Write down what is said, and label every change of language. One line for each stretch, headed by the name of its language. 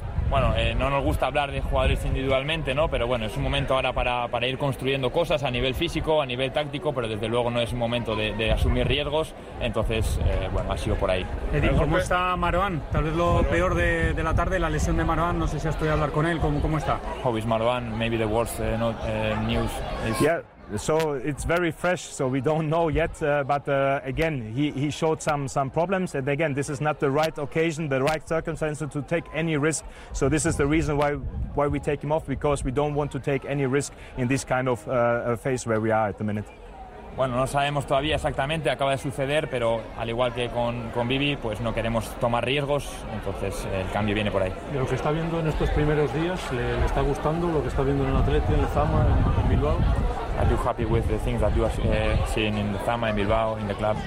Spanish: Bueno, no nos gusta hablar de jugadores individualmente, ¿no? Pero bueno, es un momento ahora para ir construyendo cosas a nivel físico, a nivel táctico, pero desde luego no es un momento de asumir riesgos. Entonces, bueno, ha sido por ahí. Edith, ¿cómo está Marouane? Tal vez lo peor de la tarde, la lesión de Marouane. No sé si has podido hablar con él. ¿Cómo está?
English: How is Marouane? Maybe the worst news is... Yeah. So it's very fresh, so we don't know yet, but again, he showed some problems, and again, this is not the right occasion, the right circumstances to take any risk, so this is the reason why we take him off, because we don't want to take any risk in this kind of phase where we are at the minute.
Spanish: Bueno, no sabemos todavía exactamente, acaba de suceder, pero al igual que con Vivi, pues no queremos tomar riesgos, entonces el cambio viene por ahí. ¿Y lo que está viendo en estos primeros días, le está gustando lo que está viendo en el Atleti, en el Zama, en Bilbao?
English: Are you happy with the things that you have seen in the Zama, in Bilbao, in the club?